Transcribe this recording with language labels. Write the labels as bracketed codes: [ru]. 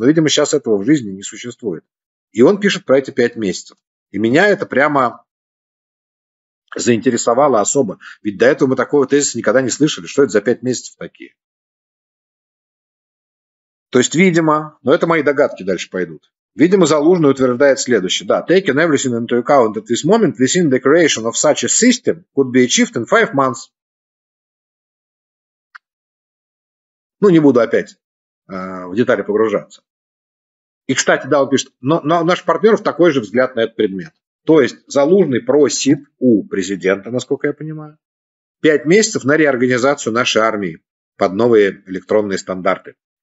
[ru] Но, видимо, сейчас этого в жизни не существует. И он пишет про эти 5 месяцев. И меня это прямо заинтересовало особо. Ведь до этого мы такого тезиса никогда не слышали. Что это за 5 месяцев такие? То есть, видимо, но это мои догадки дальше пойдут. Видимо, Залужный утверждает следующее. [en] Да, taking everything into account at this moment, within the creation of such a system could be achieved in 5 months. [ru] Ну, не буду опять в детали погружаться. И, кстати, да, он пишет, но наш партнер в такой же взгляд на этот предмет. То есть Залужный просит у президента, насколько я понимаю, 5 месяцев на реорганизацию нашей армии под новые электронные стандарты.